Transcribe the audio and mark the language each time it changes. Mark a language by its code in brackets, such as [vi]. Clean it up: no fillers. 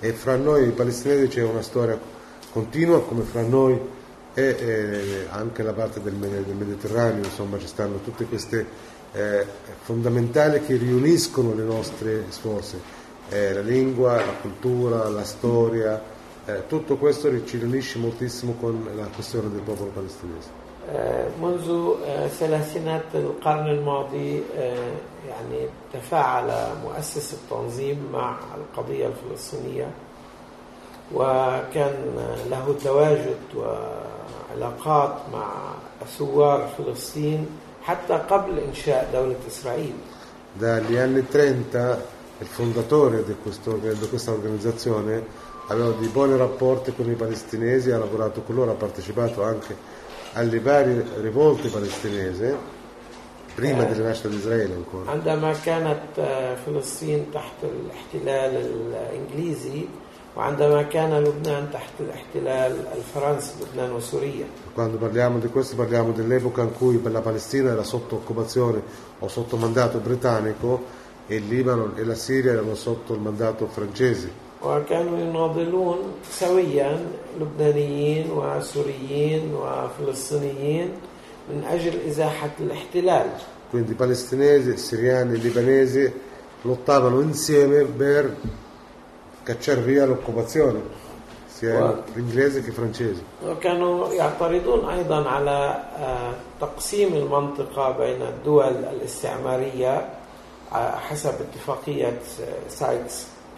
[it] E fra noi i palestinesi c'è una storia continua come fra noi e anche la parte del Mediterraneo, insomma ci stanno tutte queste fondamentali che riuniscono le nostre sforze, la lingua, la cultura, la storia, tutto questo ci riunisce moltissimo con la questione del popolo palestinese. [ar] منذ ثلاثينات القرن الماضي يعني تفاعل مؤسس التنظيم مع القضية الفلسطينية وكان له تواجد وعلاقات مع ثوار فلسطين حتى قبل إنشاء دولة إسرائيل. [it] Dagli anni 30 il fondatore di questa organizzazione aveva dei buoni rapporti con i palestinesi, ha lavorato con loro, ha partecipato anche alle varie rivolte palestinese prima della nascita di Israele ancora. [ar] عندما كانت فلسطين تحت الاحتلال الانجليزي وعندما كان لبنان تحت الاحتلال الفرنسي لبنان وسوريا. [it] Quando parliamo di questo parliamo dell'epoca in cui la Palestina era sotto occupazione o sotto mandato britannico e il Libano e la Siria erano sotto il mandato francese. [ar] وكانوا يناضلون سويا لبنانيين وسوريين وفلسطينيين من أجل إزاحة الاحتلال. [it] Quindi palestinesi, siriani, libanesi lottavano insieme per cacciar via l'occupazione, sia inglese che francese. [ar] وكانوا يعترضون أيضا على تقسيم المنطقة بين الدول الاستعمارية حسب اتفاقية سايكس.